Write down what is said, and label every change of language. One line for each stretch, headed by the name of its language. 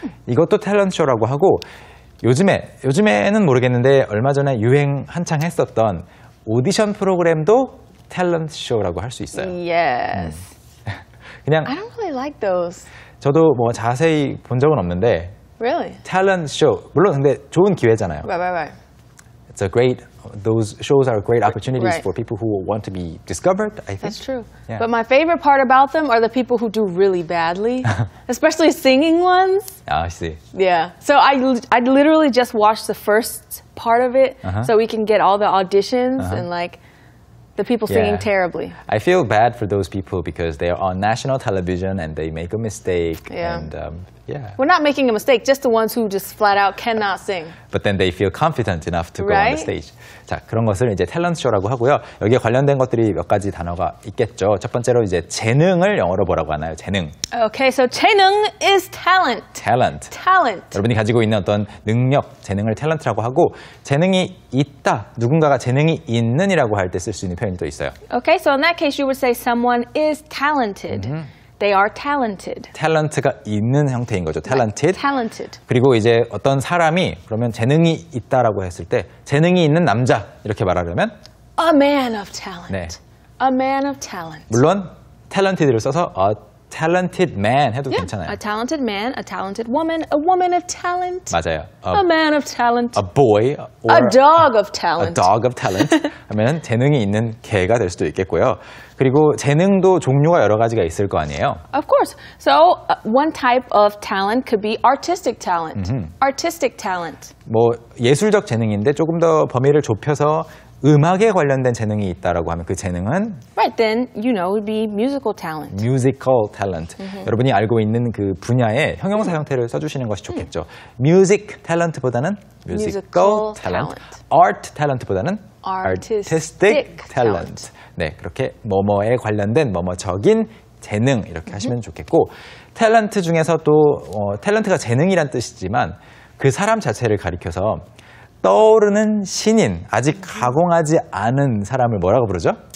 Korean: 이것도 talent show라고 하고, 요즘에는 모르겠는데 얼마 전에 유행 한창 했었던 오디션 프로그램도 talent show라고 할 수 있어요.
English: Yes.
Korean: 그냥
English: I don't really like those.
Korean: 저도 뭐 자세히 본 적은 없는데
English: Really? Talent show.
Korean: 물론 근데 좋은 기회잖아요.
English: Right, right, right. It's a great, those shows are great opportunities right. for people who want to be discovered, I think. That's true. Yeah. But my favorite part about them are the people who do really badly, especially singing ones. Ah, I see. Yeah. So I literally just watched the first part of it uh-huh. so we can get all the auditions uh-huh. and like the people singing yeah. terribly. I feel bad for those people because they are on national television and they make a mistake. Yeah. And, yeah. We're not making a mistake, just the ones who just flat out cannot sing. But then they feel confident enough to right? go on the stage.
Korean: 자, 그런 것을 이제 talent show라고 하고요. 여기에 관련된 것들이 몇 가지 단어가 있겠죠. 첫 번째로 이제 재능을 영어로 뭐라고 하나요? 재능.
English: Okay, so 재능 is talent. Talent. Talent.
Korean: 여러분이 가지고 있는 어떤 능력, 재능을 talent라고 하고 재능이 있다, 누군가가 재능이 있는이라고 할 때 쓸 수 있는 표현이 또 있어요.
English: Okay, so in that case you would say someone is talented. Mm-hmm. They are talented.
Korean: 탤런트가 있는 형태인 거죠.
English: Talented. Right. Talented.
Korean: 그리고 이제 어떤 사람이 그러면 재능이 있다라고 했을 때 재능이 있는 남자 이렇게 말하려면
English: A man of talent.
Korean: 네.
English: A man of talent.
Korean: 물론 talented를 써서
English: A talented man
Korean: 해도
English: yeah.
Korean: 괜찮아요.
English: A talented man, a talented woman, a woman of talent.
Korean: 맞아요.
English: A man of talent. A boy or A dog of talent. A dog of talent.
Korean: 하면 재능이 있는 개가 될 수도 있겠고요. 그리고 재능도 종류가 여러 가지가 있을 거 아니에요?
English: Of course. So one type of talent could be artistic talent. Mm-hmm. Artistic talent.
Korean: 뭐 예술적 재능인데 조금 더 범위를 좁혀서 음악에 관련된 재능이 있다라고 하면 그 재능은?
English: Right, then you know it would be musical talent. Musical talent. Mm-hmm.
Korean: 여러분이 알고 있는 그 분야의 형용사 mm-hmm. 형태를 써주시는 것이 좋겠죠. Mm-hmm. Music talent보다는
English: musical talent.
Korean: Art talent보다는
English: artistic talent.
Korean: talent. 네, 그렇게 뭐뭐에 관련된 뭐뭐적인 재능 이렇게 mm-hmm. 하시면 좋겠고 탤런트 중에서 또 탤런트가 재능이란 뜻이지만 그 사람 자체를 가리켜서 떠오르는 신인, 아직 가공하지 않은 사람을 뭐라고 부르죠?